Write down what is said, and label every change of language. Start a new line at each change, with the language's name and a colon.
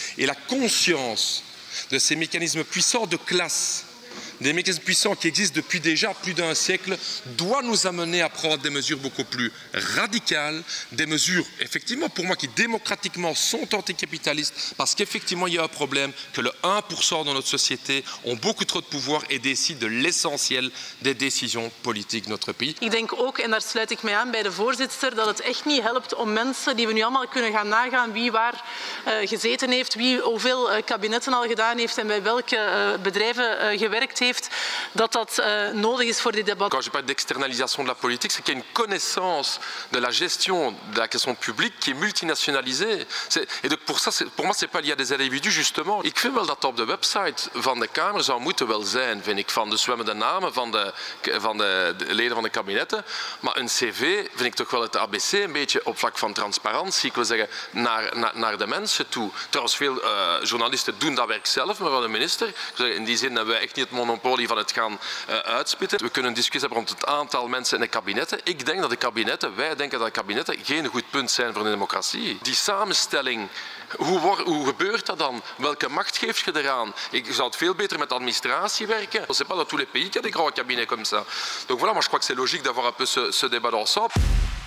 French: Et la conscience de ces mécanismes puissants de classe, des mécanismes puissants qui existent depuis déjà plus d'un siècle, doit nous amener à prendre des mesures beaucoup plus radicales, des mesures, effectivement, pour moi, qui démocratiquement sont anticapitalistes, parce qu'effectivement, il y a un problème que le 1% dans notre société ont beaucoup trop de pouvoir et décident de l'essentiel des décisions politiques de notre pays.
Dutch: Ik denk ook, en daar sluit ik mij aan bij de voorzitter, dat het echt niet helpt om mensen die we nu allemaal kunnen gaan nagaan wie waar gezeten heeft, wie hoeveel kabinetten al gedaan heeft en bij welke bedrijven gewerkt heeft, dat nodig is voor dit debat.
French: Quand je parle d'externalisation de la politique, c'est qu'il y a une connaissance de la gestion de la question publique qui est multinationalisée. Et donc pour ça, pour moi, c'est pas lié à des individus, justement.
Dutch: Ik vind wel dat op de website van de Kamer zou moeten wel zijn, vind ik, van de zwemmende namen van de leden van de kabinetten. Maar een cv vind ik toch wel het ABC, een beetje op vlak van transparantie, ik wil zeggen, naar de mensen toe. Trouwens, veel journalisten doen dat werk zelf, maar wel de minister. In die zin hebben we echt niet het monopolie van het gaan uitspitten. We kunnen een discussie hebben rond het aantal mensen in de kabinetten. Ik denk dat de kabinetten, wij denken dat de kabinetten geen goed punt zijn voor de democratie. Die samenstelling, hoe gebeurt dat dan? Welke macht geef je eraan? Ik zou het veel beter met administratie werken.
French: Je ne sais pas dans tous les pays qu'il y a des grands cabinets comme ça. Donc voilà, moi je crois que c'est logique d'avoir un peu ce débat ensemble.